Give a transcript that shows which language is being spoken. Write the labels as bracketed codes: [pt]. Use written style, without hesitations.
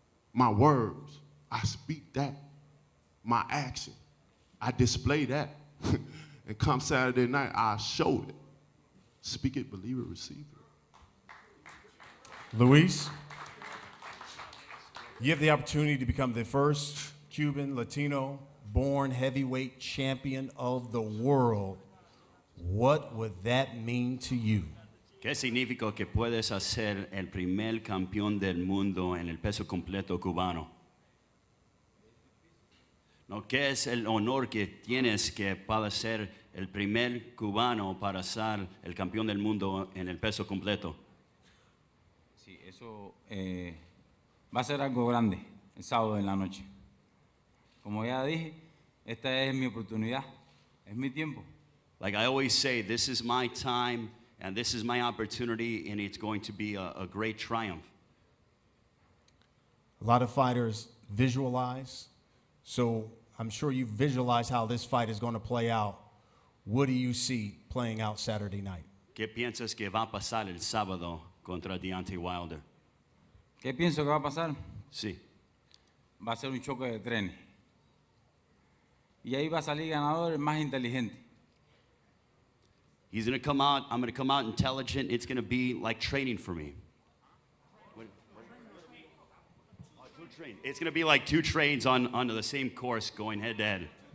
[en] My words, I speak that. My action, I display that, and come Saturday night, I show it. Speak it, believe it, receive it. Luis, you have the opportunity to become the first Cuban Latino-born heavyweight champion of the world. What would that mean to you? [es] ¿Qué significa que puedes hacer el primer campeón del mundo en el peso completo cubano? No, ¿qué es el honor que tienes que para ser el primer cubano para ser el campeón del mundo en el peso completo? Sí, eso va a ser algo grande el sábado en la noche. Como ya dije, esta es mi oportunidad, es mi tiempo. [en] Like I always say, this is my time and this is my opportunity, and it's going to be a great triumph. A lot of fighters visualize, so I'm sure you visualize how this fight is going to play out. What do you see playing out Saturday night? [es] ¿Qué piensas que va a pasar el sábado contra Deontay Wilder? ¿Qué pienso que va a pasar? Sí. Va a ser un choque de trenes. Y ahí va a salir ganador el más inteligente. [en] He's going to come out, I'm going to come out intelligent. It's going to be like training for me. Oh, good training. train. It's going to be like two trains on under the same course going head to head.